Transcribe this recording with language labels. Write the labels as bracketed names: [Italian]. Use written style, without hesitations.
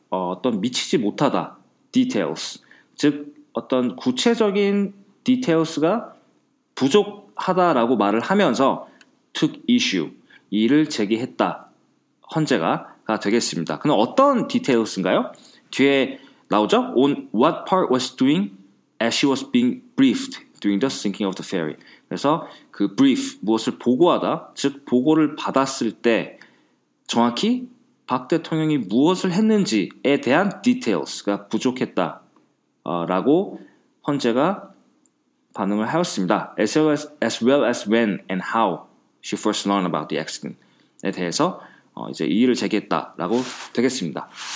[Korean] 어떤 미치지 못하다. Details. 즉 어떤 구체적인 details가 부족하다라고 말을 하면서 [English] took issue [Korean] 이를 제기했다. 헌재가 되겠습니다. 그럼 어떤 디테일스인가요? 뒤에 나오죠? [English] On what part was doing as she was being briefed during the sinking of the ferry. [Korean] 그래서 그 brief, 무엇을 보고하다, 즉 보고를 받았을 때 정확히 박 대통령이 무엇을 했는지에 대한 디테일스가 부족했다. 라고 헌재가 반응을 하였습니다. [English] As well as when and how. She first learned about the accident [Korean] 에 대해서 이제 이의를 제기했다라고 되겠습니다.